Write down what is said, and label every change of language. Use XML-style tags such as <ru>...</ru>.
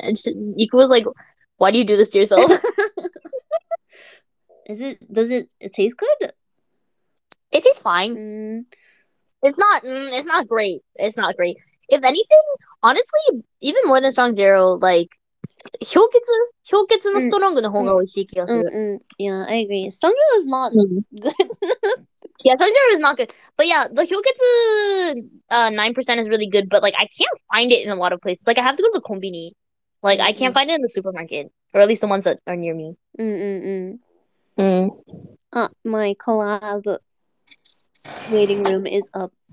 <en>And Iku was like, why do you do this to yourself? Does it taste good? It tastes fine. It's not great. It's not great. If anything, honestly, even more than Strong Zero, like,</en> <ja>氷結のストロングの方が美味しい気がする。</ja> <en>Yeah, I agree. Strongjaw is not good. Yeah, Strongjaw is not good. But yeah, the 氷結 9% is really good, but like I can't find it in a lot of places. Like I have to go to the konbini. Like I can't find it in the supermarket. Or at least the ones that are near me. My collab waiting room is up.</en>